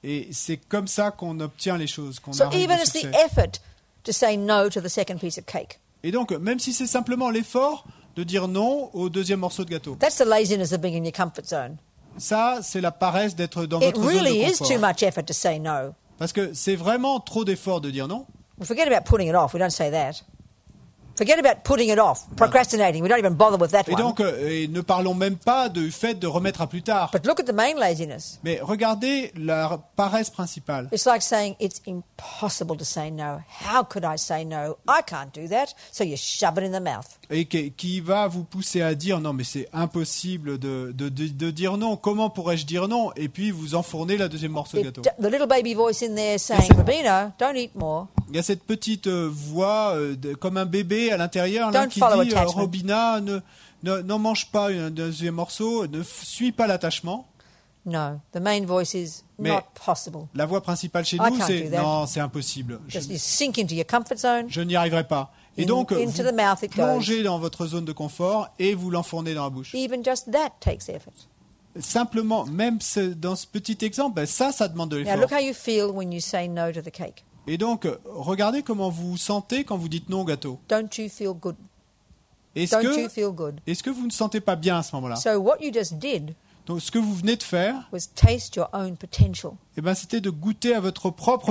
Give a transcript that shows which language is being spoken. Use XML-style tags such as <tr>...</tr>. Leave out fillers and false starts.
<fr>Et c'est comme ça qu'on obtient les choses, qu'on</fr> <en>so</en> <fr>arrive</fr> <en>even</en> <fr>au succès.</fr> <en>The effort to say no to the second piece of cake.</en> <fr>Et donc, même si c'est simplement l'effort de dire non au deuxième morceau de gâteau.</fr> <en>That's the laziness of being in your comfort zone.</en> <fr>Ça, c'est la paresse d'être dans</fr> <en>it</en> <fr>votre</fr> <en>really</en> <fr>zone de confort.</fr> <en>It really is too much effort to say no.</en> <fr>Parce que c'est vraiment trop d'effort de dire non.</fr> <en>We forget about putting it off. We don't say that. Forget about putting it off. Procrastinating. We don't even bother with that</en> <fr>et</fr> <en>one.</en> <fr>Et donc, et ne parlons même pas du fait de remettre à plus tard.</fr> <en>But look at the main laziness.</en> <fr>Mais regardez la paresse principale.</fr> <en>It's like saying it's impossible to say no. How could I say no? I can't do that. So you shove it in the mouth.</en> <fr>Et qui va vous pousser à dire non, mais c'est impossible de dire non. Comment pourrais-je dire non? Et puis vous enfournez la deuxième morceau de gâteau.</fr> <en>The little baby voice in there saying, Robina, don't eat more.</en> <fr>Il y a cette petite voix comme un bébé à l'intérieur là, qui dit, Robina, n'en mange pas un deuxième morceau, ne suis pas l'attachement.</fr> <en>No, the main voice is</en> <fr>mais</fr> <en>not possible.</en> <fr>La voix principale chez nous, c'est non, c'est impossible. Sink into your comfort zone. Je n'y arriverai pas. Et donc, vous plongez dans votre zone de confort et vous l'enfournez dans la bouche.</fr> <en>Even just that takes effort.</en> <fr>Simplement, même dans ce petit exemple, ça demande de l'effort.</fr> <en>Now look how you feel when you say no to the cake.</en> <fr>Et donc, regardez comment vous vous sentez quand vous dites non au gâteau.</fr> <en>Don't you feel good</en> <fr>Est-ce que vous ne sentez pas bien à ce moment-là?</fr> <en>So what you just did,</en> <fr>donc ce que vous venez de faire,</fr> <en>was taste your own potential.</en> <fr>Et ben, c'était de goûter à votre propre</fr>